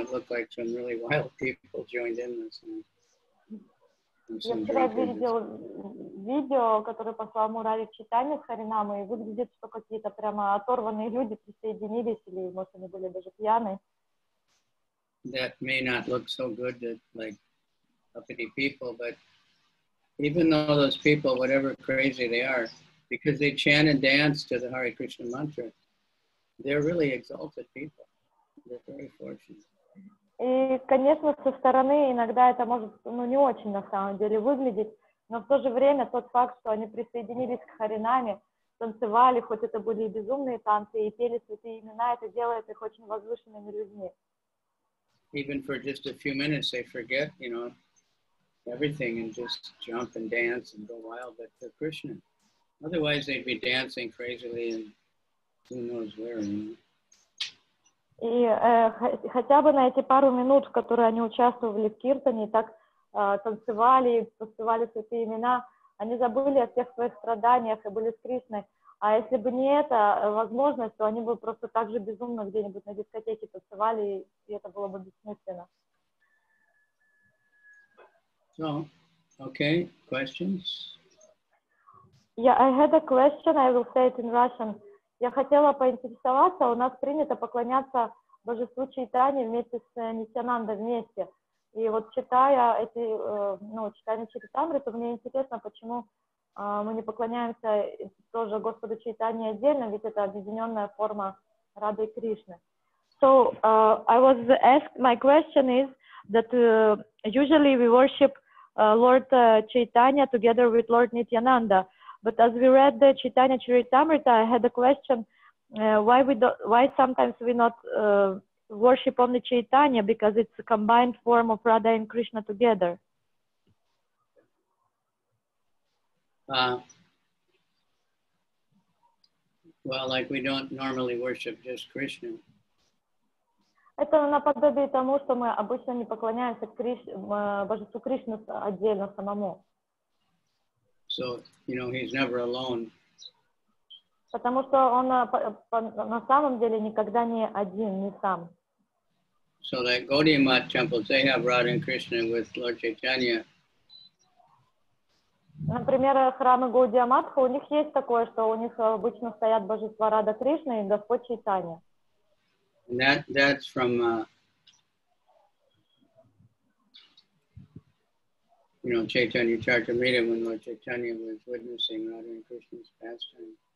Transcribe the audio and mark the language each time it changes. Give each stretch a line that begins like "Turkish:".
English: It looked like some really wild people joined in this night.
Russian: Я вчера видел видео, которое послал Мурари в читании с Харинамой, и выглядит, что какие-то прямо оторванные люди присоединились, или, может, они были даже пьяны.
English: That may not look so good to, like, uppity people, but even though those people, whatever crazy they are, because they chant and dance to the Hare Krishna mantra, they're really exalted people. They're very fortunate.
Russian: И, конечно, со стороны иногда это может, ну, не очень на самом деле выглядеть, но в то же время тот факт, что они присоединились к харинаме, танцевали, хоть это были и безумные танцы, и пели святые имена, это делает их очень возвышенными людьми.
English: Even for just a few minutes they forget, you know, everything and just jump and dance and go wild, but they're Krishna. Otherwise they'd be dancing crazily and who knows where, you know.
Russian: И хотя бы на эти пару минут, в которые они участвовали в киртане, так танцевали, поспевали святые имена, они забыли о всех своих страданиях и были с Кришной. А если бы не эта возможность, то они бы просто так же безумно где-нибудь на дискотеке танцевали, и это было бы бессмысленно.
English: So, okay, questions? Yeah, I had a question, I will say it in Russian.
Russian: Я хотела поинтересоваться, у нас принято поклоняться Божеству Чайтане вместе с Нитянандой вместе. И вот читая эти, ну, читание Чайтамриту, мне интересно, почему мы не поклоняемся тоже Господу Чайтане отдельно, ведь это объединенная форма Рады Кришны.
English: So, I was asked, my question is that usually we worship Lord Chaitanya together with Lord Nityananda. But as we read the Chaitanya Charitamrita, I had a question: why sometimes we not worship only Chaitanya because it's a combined form of Radha and Krishna together? Well, like we don't normally worship just Krishna.
Russian: Это наподобие тому, что мы обычно не поклоняемся Божеству Кришне отдельно самому.
English: So, you know, he's never alone.
Russian: Потому что он на самом деле никогда не один, не сам.
English: So that Gaudiya Math temples, they have Radha and Krishna with Lord Chaitanya.
Russian: Например, храмы Gaudiya Math, у них есть такое, что у них обычно стоят божества Радха Кришна и Господь Чайтанья.
English: And that's from, you know, Chaitanya Charitamrita, when Lord Chaitanya was witnessing Radha and Krishna's pastime.